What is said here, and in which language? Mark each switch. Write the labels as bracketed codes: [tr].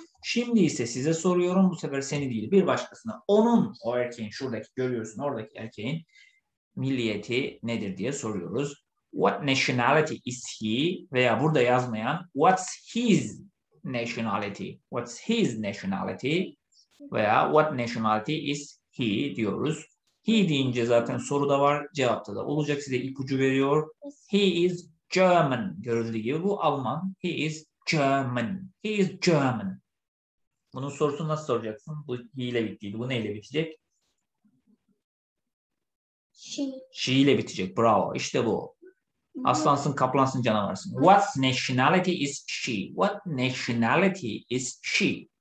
[tr] Şimdi ise size soruyorum. Bu sefer seni değil bir başkasına. Onun o erkeğin şuradaki görüyorsun oradaki erkeğin milliyeti nedir diye soruyoruz. [en] What nationality is he? [tr] Veya burada yazmayan [en] what's his nationality? What's his nationality? Veya what nationality is he [tr] diyoruz. He deyince zaten soruda var. Cevapta da olacak. Size ipucu veriyor. [en] He is German. [tr] Görüldüğü gibi bu Alman. [en] He is German. He is German. [tr] Bunun sorusunu nasıl soracaksın? Bu he ile bittiydi. Bu neyle bitecek? Şey. She ile bitecek. Bravo. İşte bu. Aslansın, kaplansın, canavarsın. [en] What nationality is she? What nationality is she?